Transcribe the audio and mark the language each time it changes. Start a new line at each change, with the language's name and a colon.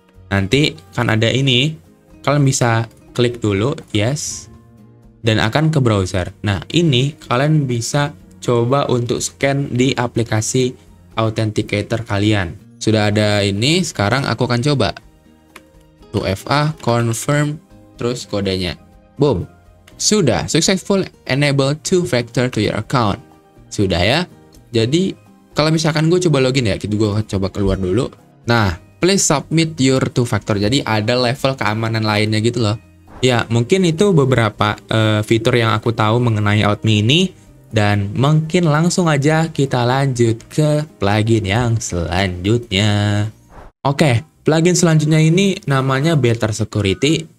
Indonesian: Nanti kan ada ini, kalian bisa klik dulu yes dan akan ke browser. Nah, ini kalian bisa coba untuk scan di aplikasi authenticator kalian. Sudah ada ini, sekarang aku akan coba 2FA confirm terus kodenya. Boom. Sudah
English: successful enable two factor to your account.
Indonesian: Sudah ya. Jadi kalau misalkan gue coba login ya, gitu gue coba keluar dulu.
English: Nah, please submit your two factor.
Indonesian: Jadi ada level keamanan lainnya gitu loh. Ya, mungkin itu beberapa fitur yang aku tahu mengenai OutMe ini. Dan mungkin langsung aja kita lanjut ke plugin yang selanjutnya. Oke, plugin selanjutnya ini namanya Better Security.